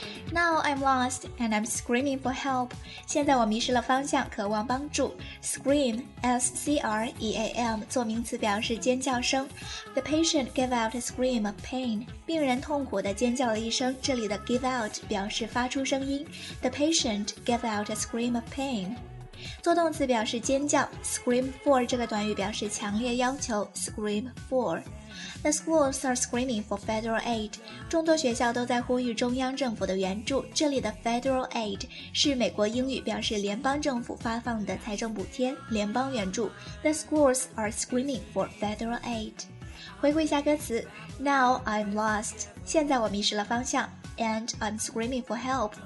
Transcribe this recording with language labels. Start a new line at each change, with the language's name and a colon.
English: Now I'm lost and I'm screaming for help.
Chinese: 现在我迷失了方向，渴望帮助。Scream, S-C-R-E-A-M, 做名词表示尖叫声。
English: The patient gave out a scream of pain.
Chinese: 病人痛苦地尖叫了一声，这里的 give out 表示发出声音。
English: The patient gave out a scream of pain.
Chinese: 做动词表示尖叫 ，scream for 这个短语表示强烈要求 ，scream for。
English: The schools are screaming for federal aid.
Chinese: 众多学校都在呼吁中央政府的援助。这里的 federal aid 是美国英语表示联邦政府发放的财政补贴，联邦援助。
English: The schools are screaming for federal aid.
Chinese: 回顾一下歌词
English: ，Now I'm lost.
Chinese: 现在我迷失了方向 ，
English: and I'm screaming for help.